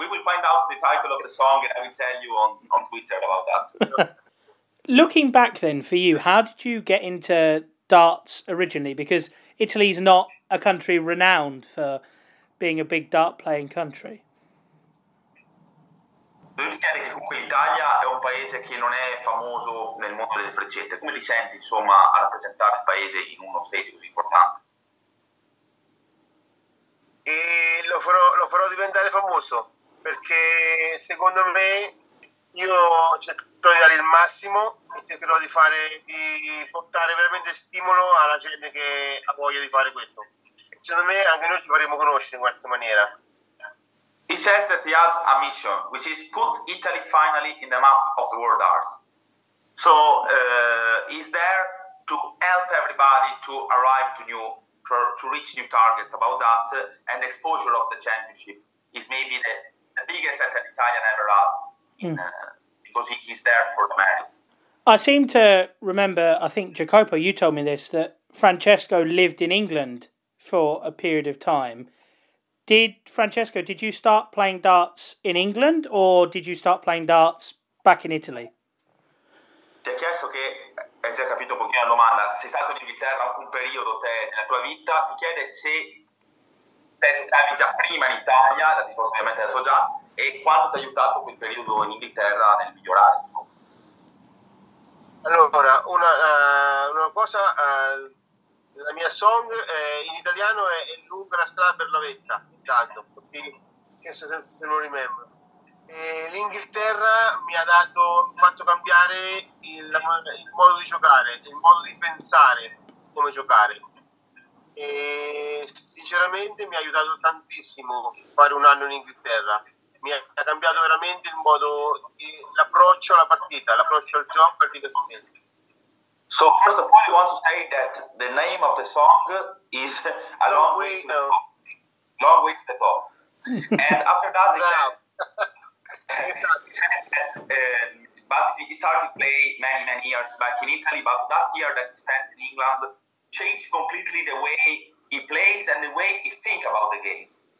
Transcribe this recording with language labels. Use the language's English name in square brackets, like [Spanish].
[English] We will find out the title of the song, and I will tell you on Twitter about that. Looking back, then, for you, how did you get into darts originally? Because Italy is not a country renowned for being a big dart playing country. [Italian] Devo dire che comunque l'Italia è un paese che non è famoso nel mondo delle freccette. Come ti senti, insomma, a rappresentare il paese in uno stage così importante? E lo farò diventare famoso, perché secondo me io cercherò di dare il massimo e cercherò di fare di portare veramente stimolo alla gente che ha voglia di fare questo. Secondo me anche noi ci faremo conoscere in questa maniera. [English] He says that he has a mission, which is put Italy finally in the map of the world arts. So he's there to help everybody to arrive to new, to reach new targets about that, and exposure of the championship is maybe the biggest that an Italian ever had, because he's there for the merit. I seem to remember, I think Jacopo, you told me this, that Francesco lived in England for a period of time. Francesco, did you start playing darts in England or did you start playing darts back in Italy? [Italian] Ti ha chiesto che, hai già capito un pochino la domanda, sei stato in Inghilterra un periodo te nella tua vita, ti chiede se giocavi già prima in Italia, la risposta ovviamente la so già, e quanto ti ha aiutato quel periodo in Inghilterra nel migliorare, insomma. Allora, una cosa, la mia song in italiano è Lunga la strada per la vetta, intanto, se non rimembro. L'Inghilterra mi ha dato, fatto cambiare il modo di giocare, il modo di pensare come giocare. E sinceramente mi ha aiutato tantissimo fare un anno in Inghilterra. Mi ha cambiato veramente il modo, l'approccio alla partita, l'approccio al gioco, partita con me. [English] So first of all, you want to say that the name of the song is A Long Way to the Top. Long Way to the Top. And after that, he says that basically he started playing many, many years back in Italy, but that year that he spent in England changed completely the way he plays and the way he thinks about the game.